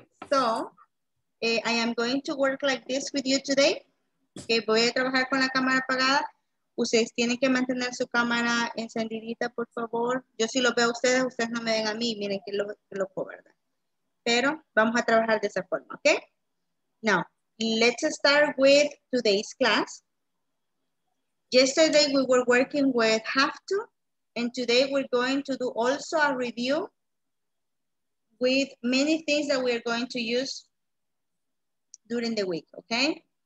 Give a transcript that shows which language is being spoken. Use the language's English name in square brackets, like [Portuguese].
[English] So, I am going to work like this with you today. [Spanish] Okay, voy a trabajar con la cámara apagada. Ustedes tienen que mantener su cámara encendidita, por favor. Yo sí lo veo a ustedes no me ven a mí. Miren que lo puedo, ¿verdad? pero vamos a trabajar de esa forma, ¿ok? [English] Now, let's start with today's class. Yesterday we were working with have to, and today we're going to do also a review with many things that we are going to use during the week, okay?